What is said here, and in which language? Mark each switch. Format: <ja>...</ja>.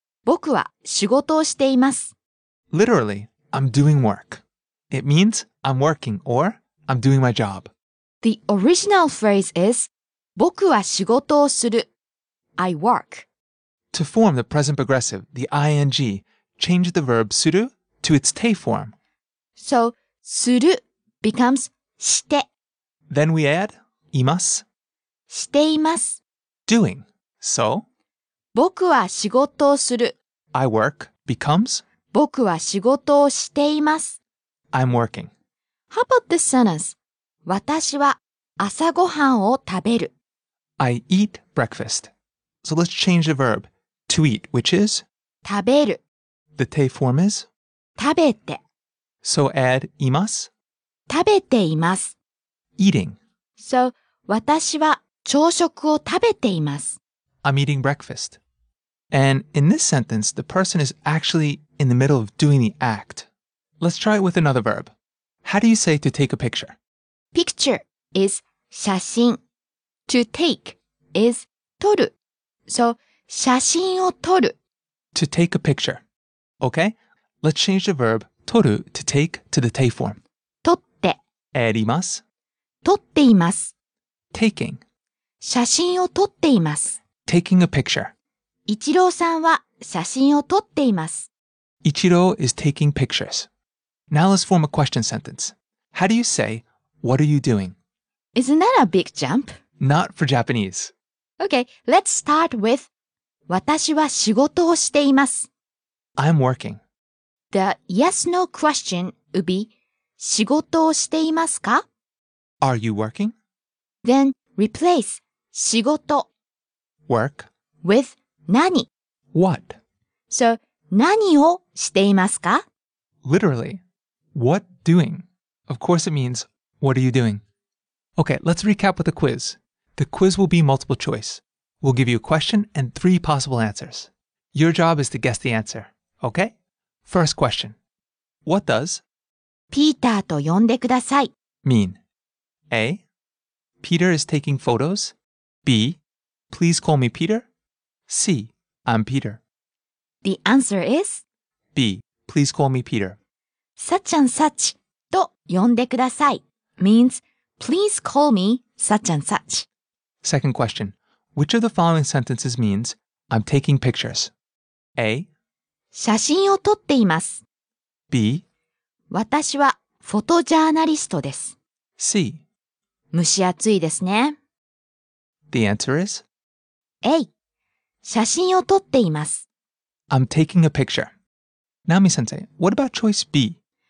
<ja>僕は仕事をしています</ja> <en>Literally, I'm doing work. It means I'm working or I'm doing my job. The original phrase is</en> <ja>僕は仕事をする。</ja> <en>I work. To form the present progressive, the ing, change the verb する to its te form. So, する becomes して. Then we add います。</en> <ja>しています。</ja> <en>Doing. So,</en> <ja>僕は仕事をする。</ja> <en>I work becomes</en> <ja>僕は仕事をしています。</ja> <en>I'm working. How about this sentence?</en> <ja>私は朝ごはんを食べる。</ja> <en>I eat breakfast. So let's change the verb to eat, which is</en> <ja>食べる</ja> <en>The te form is</en> <ja>食べて</ja> <en>So add います</en> <ja>食べています</ja> <en>Eating.</en> <ja>So 私は朝食を食べています</ja> <en>I'm eating breakfast. And in this sentence, the person is actually in the middle of doing the act. Let's try it with another verb. How do you say to take a picture? Picture is 写真To take is 撮る。So,</en> <ja>写真を撮る。</ja> <en>to take a picture. Okay? Let's change the verb 撮る to take to the te form.</en> <ja>撮って。 あります。撮っています。</ja> <en>Taking.</en> <ja>写真を撮っています。</ja> <en>Taking a picture.</en> <ja>一郎さんは写真を撮っています。</ja> <en>Ichiro is taking pictures. Now let's form a question sentence. How do you say, what are you doing? Isn't that a big jump? Not for Japanese. Okay, let's start with,</en> <ja>私は仕事をしています。</ja> <en>I'm working. The yes-no question would be,</en> <ja>仕事をしていますか?</ja> <en>Are you working? Then replace 仕事 work with 何? What?</en> <ja>So,何をしていますか?</ja> <en>Literally, what doing? Of course it means, what are you doing? Okay, let's recap with the quiz. The quiz will be multiple choice. We'll give you a question and three possible answers. Your job is to guess the answer, okay? First question. What does</en> <ja>Peter と呼んでください</ja> <en>mean? A. Peter is taking photos. B. Please call me Peter. C. I'm Peter. The answer is B. Please call me Peter. Such and such</en> <ja>と呼んでください</ja> <en>means please call me such and such. Second question. Which of the following sentences means I'm taking pictures? A.</en> <ja>写真を撮っています</ja> <en>B.</en> <ja>私はフォトジャーナリストです</ja> <en>C.</en> <ja>蒸し暑いですね</ja> <en>The answer is A.</en> <ja>写真を撮っています</ja> <en>I'm taking a picture. Nami-sensei, what about choice B?</en>